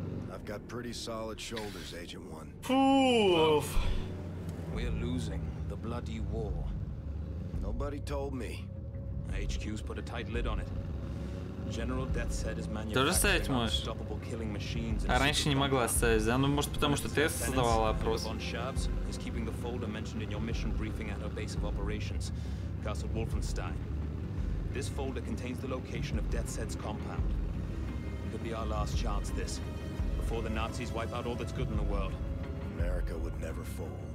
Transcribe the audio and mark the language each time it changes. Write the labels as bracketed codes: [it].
[en] I've got pretty solid shoulders, Agent One. Фуф. We're losing the bloody war. Nobody told me. HQ's put a tight lid on it. General Death said his manufacturing unstoppable killing machines. [ru] А раньше не могла ставить, да? Ну, может, потому что ты создавала опрос. [en] Von Schabs is keeping the folder mentioned in your mission briefing at our base of operations, Castle Wolfenstein. This folder contains the location of Death's Head's compound. It could be our last chance, this, before the Nazis wipe out all that's good in the world. America would never fold.